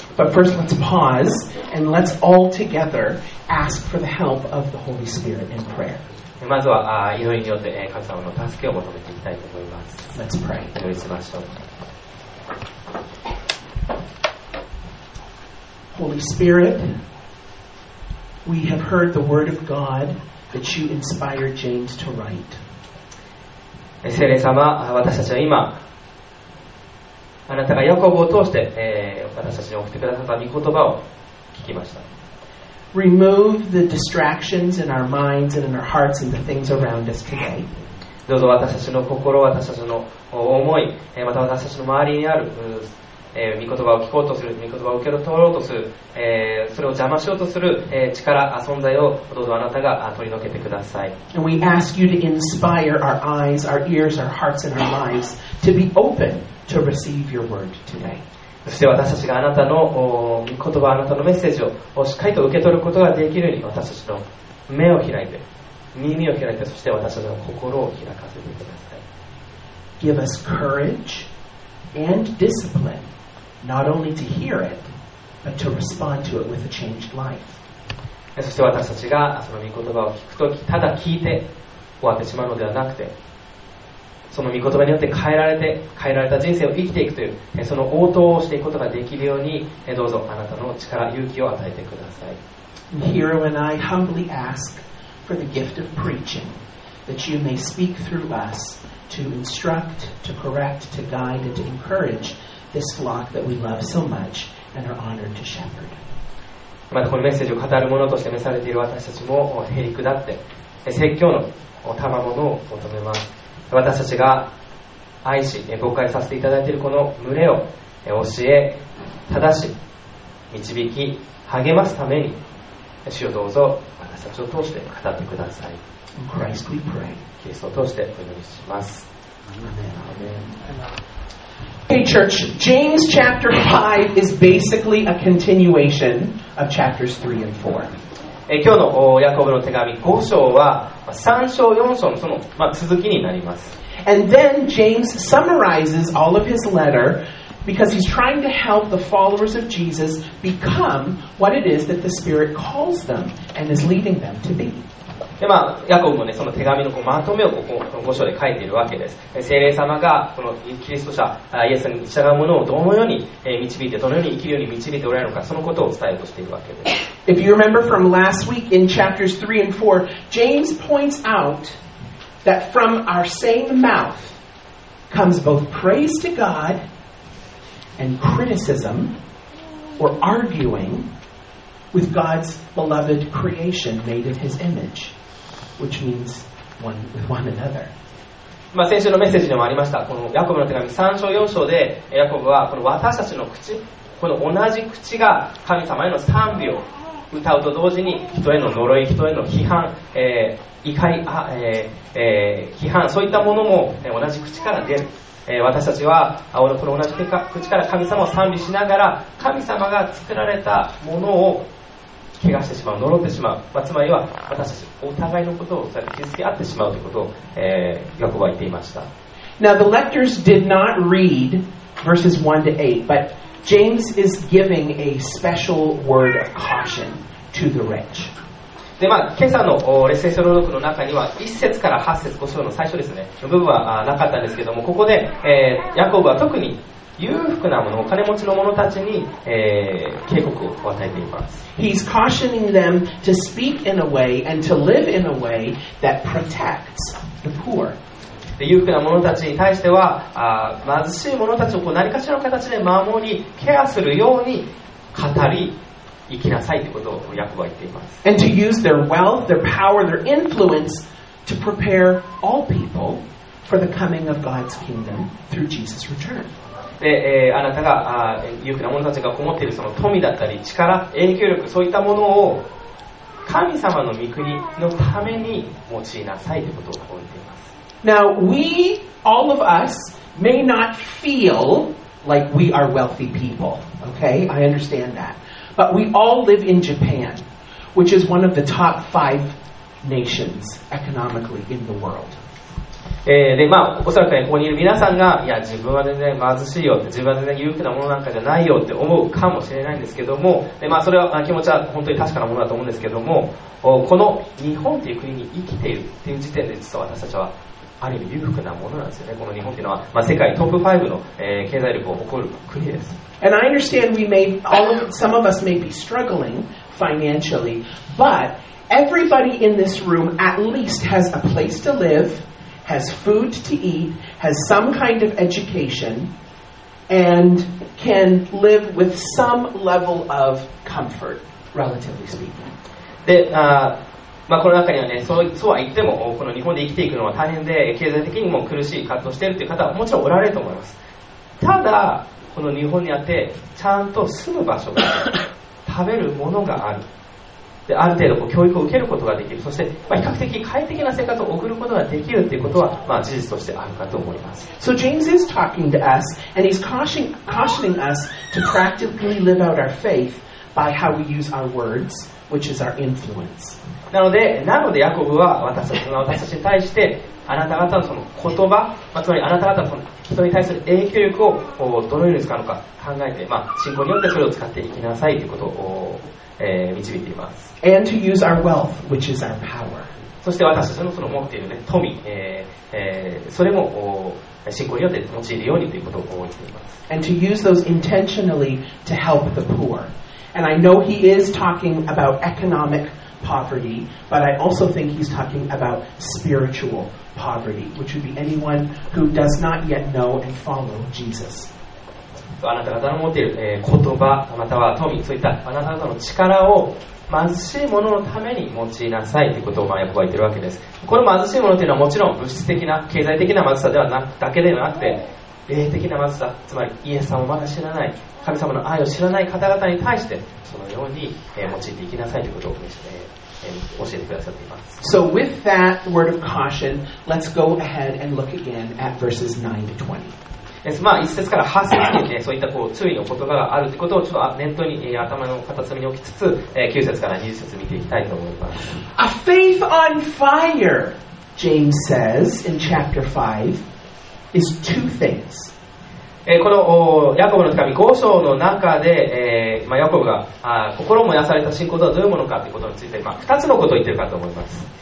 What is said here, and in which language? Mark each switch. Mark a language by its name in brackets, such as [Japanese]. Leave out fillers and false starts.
[English] But first, let's pause and let's all together ask for the help of the Holy Spirit in prayer. [Japanese] まずは祈りによって神様の助けを求めていきたいと思います。 [English] Let's pray. [Japanese] 祈りしましょう。 [English] Holy Spirit, We have heard the word of God that you inspired James to write. [Japanese] 聖霊様、私たちは今、あなたがヤコブを通して、私たちに送ってくださった御言葉を聞きました。 [English] Remove the distractions in our minds and in our hearts and the things around us today. [Japanese] どうぞ私たちの心、私たちの思い、また私たちの周りにある、御言葉を聞こうとする、御言葉を受け取ろうとする、それを邪魔しようとする、力、存在をどうぞあなたが取り除けてください。 [English] And we ask you to inspire our eyes, our ears, our hearts and our minds to be open to receive your word today. [Japanese] そして私たちがあなたの御言葉、あなたのメッセージをしっかりと受け取ることができるように私たちの目を開いて、耳を開いて、そして私たちの心を開かせてください。 [English] Give us courage and discipline, not only to hear it, but to respond to it with a changed life. [Japanese] そして私たちがその御言葉を聞くとき、ただ聞いて終わってしまうのではなくて、その御言葉によって変えられて、変えられた人生を生きていくという、その応答をしていくことができるように、どうぞあなたの力、勇気を与えてください。 [English] Hero and I humbly ask for the gift of preaching, that you may speak through us to instruct, to correct, to guide, and to encourage this flock that we love so much and are honored to shepherd. [Japanese] またこのメッセージを語る者として召されている私たちも、へりくだって、説教の賜物を求めます。私たちが愛し、誤解させていただいているこの群れを教え、正し、導き、励ますために、主をどうぞ私たちを通して語ってください。 [English] Christ we pray. [Japanese] キリストを通してお祈りします。 [English] Hey church, James chapter 5 is basically a continuation of chapters 3 and 4. [Japanese] 今日のヤコブの手紙5章は3章4章のその続きになります。 [English] And then James summarizes all of his letter because he's trying to help the followers of Jesus become what it is that the Spirit calls them and is leading them to be. [Japanese] で、まあ、ヤコブもね、その手紙のこうまとめをここの5章で書いているわけです。聖霊様がこのキリスト者、イエスに従う者をどのように導いて、どのように生きるように導いておられるのか、そのことを伝えようとしているわけです。 [English] If you remember from last week in chapters 3 and 4, James points out that from our same mouth comes both praise to God and criticism or arguing with God's beloved creation made in his image, which means one with one another. [Japanese] まあ、先週のメッセージでもありました。このヤコブの手紙3章4章でヤコブはこの私たちの口、この同じ口が神様への賛美を歌うと同時に人への呪い、人への批判、怒り、批判、そういったものも同じ口から出る、私たちはこの同じ口から神様を賛美しながら神様が作られたものを怪我してしまう、呪ってしまう、まあ、つまりは私たちお互いのことを傷つけ合ってしまうということを、ヤコブは言っていました。 [English] Now the lectors did not read verses 1 to 8, butJames is giving a special word of caution to the rich. [Japanese] で、まあ、今朝のレッセン朗読の中には1節から8節、5章の最初ですね、の部分はなかったんですけども、ここで、ヤコブは特に裕福な者、お金持ちの者たちに、警告を与えています。 [English] He's cautioning them to speak in a way and to live in a way that protects the poor. [Japanese] で裕福な者たちに対しては貧しい者たちをこう何かしらの形で守りケアするように語り生きなさいということをヤコブは言っています。 [English] And to use their wealth, their power, their influence to prepare all people for the coming of God's kingdom through Jesus' return. [Japanese] で、あなたが裕福な者たちがこもっているその富だったり力、影響力、そういったものを神様の御国のために用いなさいということを言っています。 [English] Now, we, all of us, may not feel like we are wealthy people, okay? I understand that. But we all live in Japan, which is one of the top five nations economically in the world. [Japanese] で、まあ、おそらくね、ここにいる皆さんが、いや、自分は全然貧しいよって、自分は全然裕福なものなんかじゃないよって思うかもしれないんですけども、で、まあ、それは、まあ、気持ちは本当に確かなものだと思うんですけども、この日本という国に生きているっていう時点で、実は私たちは、ある意味裕福なものなんですよね。この日本というのは、まあ、世界トップ5の、経済力を誇る国です。 [English] And I understand we may, all of, some of us may be struggling financially, but everybody in this room at least has a place to live, has food to eat, has some kind of education, and can live with some level of comfort, relatively speaking. [Japanese] で、まあ、この中にはね、そうは言っても、この日本で生きていくのは大変で、経済的にも苦しい活動をしているという方はもちろんおられると思います。ただ、この日本にあって、ちゃんと住む場所がある、食べるものがある、で、ある程度こう教育を受けることができる、そして、まあ、比較的快適な生活を送ることができるということは、まあ、事実としてあるかと思います。 [English] So James is talking to us, and he's cautioning us to practically live out our faith by how we use our words. Which is our influence. [Japanese] なのでヤコブは私たちに対してあなた方 の言葉、まあ、つまりあなた方 の人に対する影響力をどのように使うのか考えて、まあ、信仰によってそれを使っていきなさいということを、導いています。 [English] And to use our wealth, which is our power. [Japanese] そして私たち の持っている、ね、富、それも信仰によって用いるようにということを言っています。 [English] And to use those intentionally to help the poorAnd I know he is talking about economic poverty, but I also think he's talking about spiritual poverty, which would be anyone who does not yet know and follow Jesus. [Japanese] あなた方の持っている、言葉、または富、そういったあなた方の力を貧しい者のために持ちなさいということを、まあ、ヤコブは言っているわけです。この貧しい者というのはもちろん物質的な、経済的な貧しさではなだけではなくて、霊的な貧しさ、つまりイエス様をまだ知らない、神様の愛を知らない方々に対してそのように、用いていきなさいということを、教えてくださっています。 [English] So with that word of caution, let's go ahead and look again at verses 9 to 20. [Japanese] 1節から8節に、ね、そういったこう注意の言葉があるということをちょっと念頭に、頭の片隅に置きつつ、9節から20節を見ていきたいと思います。 [English] A faith on fire, James says in chapter 5. Is two things. [Japanese] このヤコブの手紙5章の中で、まあ、ヤコブが心燃やされた信仰とはどういうものかということについて、まあ、2つのことを言っているかと思います。